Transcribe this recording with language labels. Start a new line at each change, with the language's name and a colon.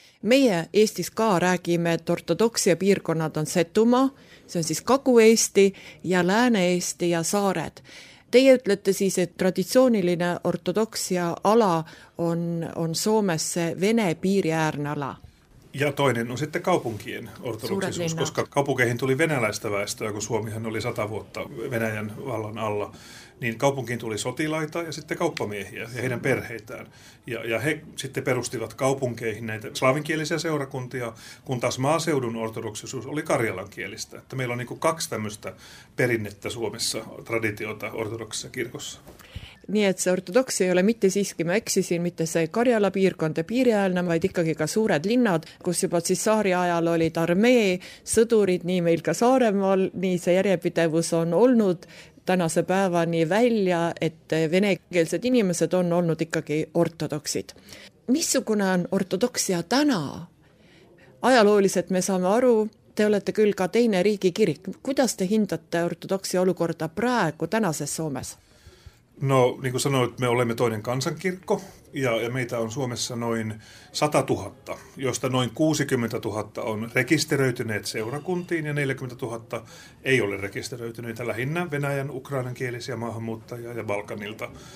Estonian: Meie Eestis ka räägime, et ortodoksia piirkonnad on Setuma, see on siis Kagu-Eesti ja Lääne-Eesti ja Saared. Teie ütlete siis, et traditsiooniline ortodoksia ala on Soomesse Vene piiriäärne ala.
Finnish: Ja toinen on sitten kaupunkien ortodoksisuus, koska kaupunkeihin tuli venäläistä väestöä, kun Suomihan oli 100 vuotta Venäjän vallan alla. Niin kaupunkiin tuli sotilaita ja sitten kauppamiehiä ja heidän perheitään. Ja he sitten perustivat kaupunkeihin näitä slaavinkielisiä seurakuntia, kun taas maaseudun ortodoksisuus oli karjalankielistä. Että meillä on niin kuin kaksi tämmöistä perinnettä Suomessa traditiota ortodoksissa kirkossa.
Estonian: Nii et see ortodoksi ei ole mitte siiski, ma eksisin, mitte see Karjala piirkond ja piirjäälne, vaid ikkagi ka suured linnad, kus juba siis saari ajal olid armee, sõdurid, nii meil ka Saaremaal, nii see järjepidevus on olnud tänase päeva nii välja, et venekeelsed inimesed on olnud ikkagi ortodoksid. Missugune on ortodoksia täna? Ajalooliselt me saame aru, te olete küll ka teine riigi kirik. Kuidas te hindate ortodoksi olukorda praegu tänases Soomes?
Finnish: No, niin kuin sanoit, me olemme toinen kansankirkko ja meitä on Suomessa noin 100 000, josta noin 60 000 on rekisteröityneet seurakuntiin ja 40 000 ei ole rekisteröityneitä lähinnä venäjän, ukrainan kielisiä maahanmuuttajia ja Balkanilta.